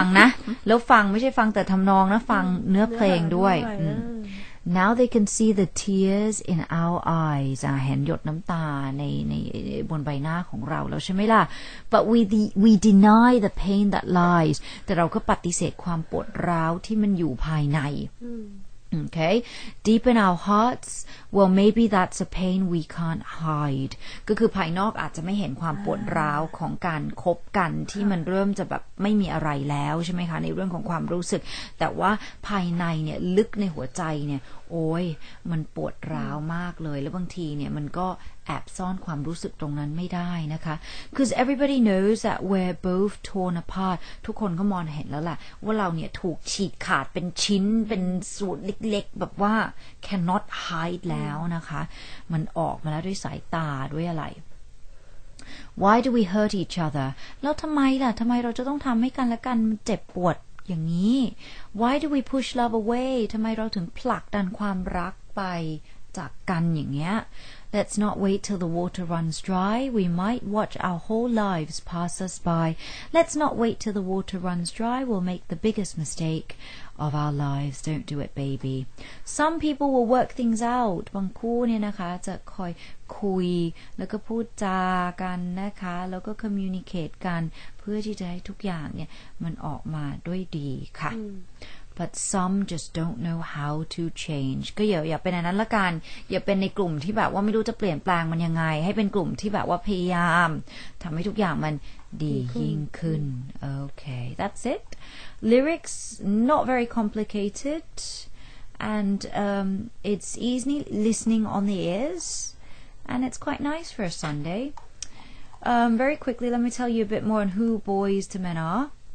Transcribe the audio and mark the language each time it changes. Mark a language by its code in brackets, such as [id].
[th] ฟังนะแล้วฟังไม่ใช่ฟังแต่ทำนองนะฟังเนื้อเพลงด้วย [en] Now they can see the tears in our eyes. [th] เห็นหยดน้ำตาในบนใบหน้าของเราแล้วใช่ไหมล่ะ [en] But we deny the pain that lies. [th] แต่เราก็ปฏิเสธความปวดร้าวที่มันอยู่ภายใน Okay. [en] Deep in our hearts, well, maybe that's a pain we can't hide. [th] ก็คือภายนอกอาจจะไม่เห็นความปวดร้าวของการคบกันที่มันเริ่มจะแบบไม่มีอะไรแล้วใช่ไหมคะในเรื่องของความรู้สึกแต่ว่าภายในเนี่ยลึกในหัวใจเนี่ยโอ้ยมันปวดร้าวมากเลยแล้วบางทีเนี่ยมันก็แอบซ่อนความรู้สึกตรงนั้นไม่ได้นะคะ [en] Cause everybody knows that we're both torn apart [th] ทุกคนก็มองเห็นแล้วแหละว่าเราเนี่ยถูกฉีกขาดเป็นชิ้นเป็นส่วนเล็กๆแบบว่า [en] cannot hide [th] แล้วนะคะมันออกมาแล้วด้วยสายตาด้วยอะไร [en] Why do we hurt each other [th] แล้วทำไมล่ะทำไมเราจะต้องทำให้กันและกันเจ็บปวดอย่างนี้ [en] Why do we push love away? [th] ทำไมเราถึงผลักดันความรักไปจากกันอย่างเงี้ย [en] Let's not wait till the water runs dry. We might watch our whole lives pass us by. Let's not wait till the water runs dry. We'll make the biggest mistake of our lives. Don't do it, baby. Some people will work things out. [th] บางคู่เนี่ยนะคะจะคอยคุยแล้วก็พูดจากันนะคะแล้วก็ communicate กันเพื่อที่จะให้ทุกอย่างเนี่ยมันออกมาด้วยดีค่ะ [en] But some just don't know how to change. [th] ก็อย่าเป็นอันนั้นละกันอย่าเป็นในกลุ่มที่แบบว่าไม่รู้จะเปลี่ยนแปลงมันยังไงให้เป็นกลุ่มที่แบบว่าพยายามทำให้ทุกอย่างมันดียิ่งขึ้น [en] Okay, that's it. Lyrics not very complicated, and it's easy listening on the ears, and it's quite nice for a Sunday. Very quickly, let me tell you a bit more on who Boys to Men are.